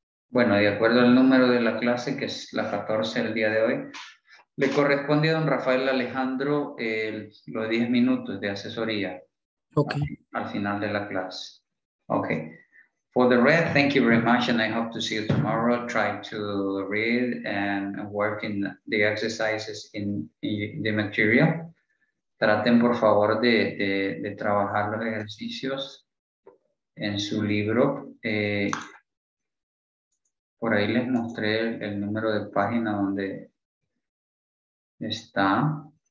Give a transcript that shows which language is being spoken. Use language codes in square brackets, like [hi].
[es] Bueno, de acuerdo al número de la clase, que es la 14 el día de hoy, le corresponde a don Rafael Alejandro los 10 minutos de asesoría. [en] Okay. [es] Al final de la clase. Okay. [en] For the rest, thank you very much, and I hope to see you tomorrow. Try to read and work in the exercises in the material. [es] Traten, por favor, de trabajar los ejercicios en su libro. Por ahí les mostré el número de página donde está.